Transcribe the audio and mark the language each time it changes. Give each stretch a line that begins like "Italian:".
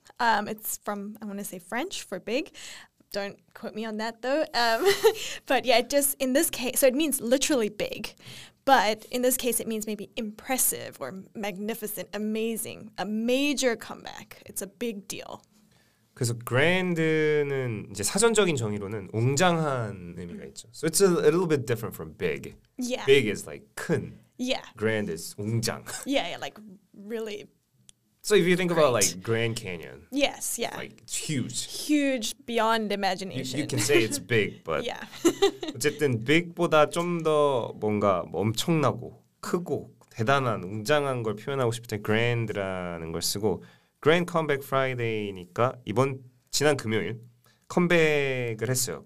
English: It's from, I want to say French for big. Don't quote me on that though. but yeah, just in this case, so it means literally big. But in this case, it means maybe impressive or magnificent, amazing, a major comeback. It's a big deal.
Korean: 그래서 grand는 이제 사전적인 정의로는 웅장한 의미가 있죠.
English: So it's a little bit different from big. Yeah. Big is like 큰. Yeah. Grand is 웅장. Yeah, yeah, like really. So if you think about like Grand Canyon. Yes, yeah. Like it's huge. Huge beyond imagination. You can say it's big, but yeah.
Korean: 어쨌든 big보다 좀 더 뭔가 뭐 엄청나고 크고 대단한 웅장한 걸 표현하고 싶을 때 grand라는 걸 쓰고 Grand Comeback Friday니까 이번 지난 금요일 컴백을 했어요.